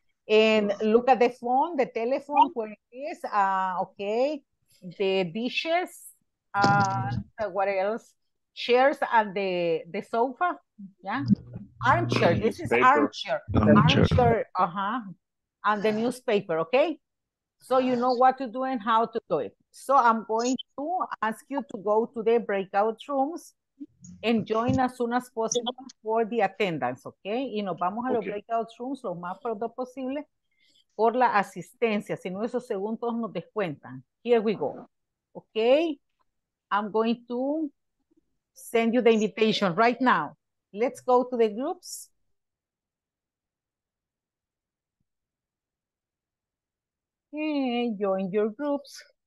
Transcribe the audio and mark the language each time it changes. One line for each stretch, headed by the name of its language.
English: And look at the phone, the telephone, where it is, okay, the dishes, what else, chairs and the sofa, yeah, armchair, this is armchair, uh-huh, and the newspaper, okay, so you know what to do and how to do it. So I'm going to ask you to go to the breakout rooms and join as soon as possible for the attendance, okay?
Spanish: Y nos vamos a los breakout rooms lo más pronto posible por la asistencia. Si no, esos segundos nos descuentan.
English: Here we go. Okay? I'm going to send you the invitation right now. Let's go to the groups. Okay, join your groups.